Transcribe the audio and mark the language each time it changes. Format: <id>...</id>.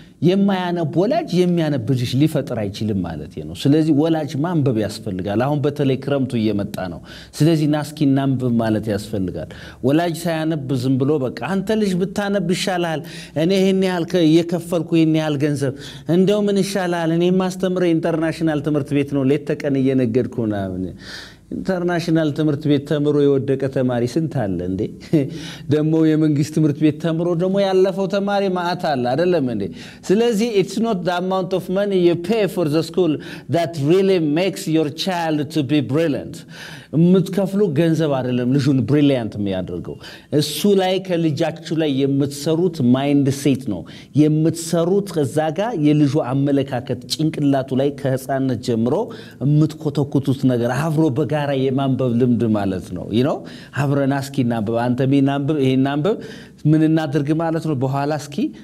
<am>የማያነብ ወላጅ የሚያነብ ልጅ ሊፈጥር አይችልም ማለት ነው። ስለዚህ ወላጅ ማንበብ ያስፈልጋል። አሁን በተለይ ክረምቱ እየመጣ ነው። ስለዚህ ናስኪ ናንብ ማለት ያስፈልጋል። ወላጅ ሳያነብ ዝም ብሎ በቃ አንተ ልጅ ብታነብ ይሻላል እኔ ይሄን ያልከ የከፈልኩ ይሄን ያል ገንዘብ እንደው ምን ይሻላል እኔ ማስተምረው ኢንተርናሽናል ትምህርት ቤት ነው ለተቀን እየነገድኩ ነው ኢንተርናሽናል ትምህርት ቤት ተምሮ የወደቀ ተማሪ ስንት አለ እንዴ? ደሞ የመንግስት ትምህርት ቤት ተምሮ ደሞ ያለፈው ተማሪ ማአት አለ አይደለም እንዴ?</am> <en>ስለዚህ it's not the amount of money you pay for the school that really makes your child to be brilliant.</en> <am>የምትከፍሉ ገንዘብ አይደለም ልጁን brilliant የሚያደርገው። እሱ ላይ ከልጃችሁ ላይ የምትሰሩት mind set ነው። የምትሰሩት ከዛ ጋር የልጁ አመለካከት ጭንቅላቱ ላይ ከህፃነት ጀምሮ የምትኮተኩቱት ነገር አብሮ ጋራ የማንበብ ልምድ ማለት ነው</am> <en>you know</en> <am>አብረን አስኪ እናንብብ አንተ ሚናንብብ ይሄናንብብ ምን እናድርግ ማለት ነው በኋላ አስኪ</am>